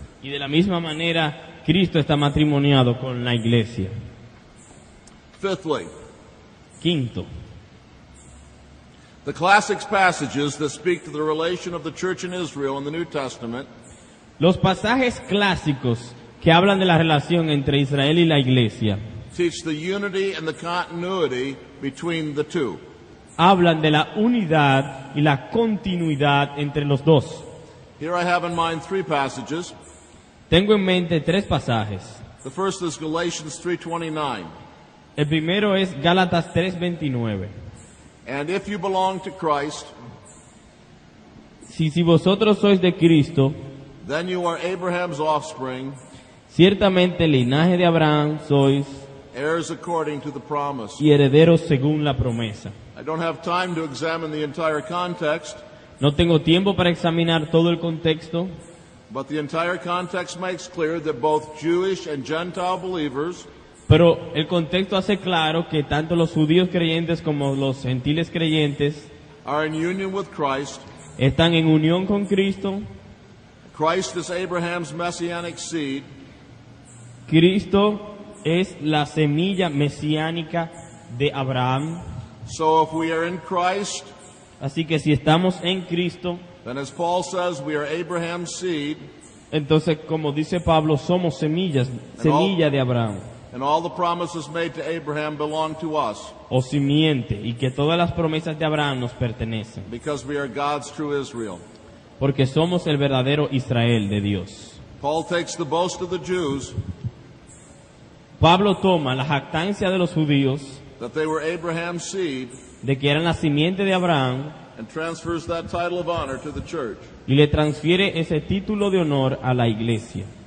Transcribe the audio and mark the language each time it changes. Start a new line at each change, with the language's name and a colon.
Spanish: Y de la misma manera, Cristo está matrimoniado con la iglesia.
English: Fifthly.
Spanish: Quinto.
English: The classic passages that speak to the relation of the church and Israel in the New Testament.
Spanish: Los pasajes clásicos que hablan de la relación entre Israel y la iglesia.
English: Teach the unity and the continuity between the two.
Spanish: Hablan de la unidad y la continuidad entre los dos.
English: Here I have in mind three passages.
Spanish: Tengo en mente tres pasajes.
English: The first is Galatians 3:29.
Spanish: El primero es Gálatas 3:29.
English: And if you belong to Christ,
Spanish: si vosotros sois de Cristo,
English: then you are Abraham's offspring,
Spanish: ciertamente el linaje de Abraham sois,
English: heirs according to the promise,
Spanish: y herederos según la promesa.
English: I don't have time to examine the entire context,
Spanish: no tengo tiempo para examinar todo el contexto,
English: but the entire context makes clear that both Jewish and Gentile believers.
Spanish: Pero el contexto hace claro que tanto los judíos creyentes como los gentiles creyentes
English: are in union with Christ.
Spanish: Están en unión con Cristo.
English: Christ is Abraham's messianic seed.
Spanish: Cristo es la semilla mesiánica de Abraham.
English: So if we are in Christ,
Spanish: así que si estamos en Cristo,
English: then as Paul says, we are Abraham's seed.
Spanish: Entonces, como dice Pablo, somos semillas, semilla de Abraham.
English: And all the promises made to Abraham belong to us.
Spanish: O simiente, y que todas las promesas de Abraham nos pertenecen.
English: Because we are God's true Israel.
Spanish: Porque somos el verdadero Israel de Dios.
English: Paul takes the boast of the Jews.
Spanish: Pablo toma la jactancia de los judíos.
English: That they were Abraham's seed.
Spanish: De que eran la simiente de Abraham.
English: And transfers that title of honor to the church.
Spanish: Y le transfiere ese título de honor a la iglesia.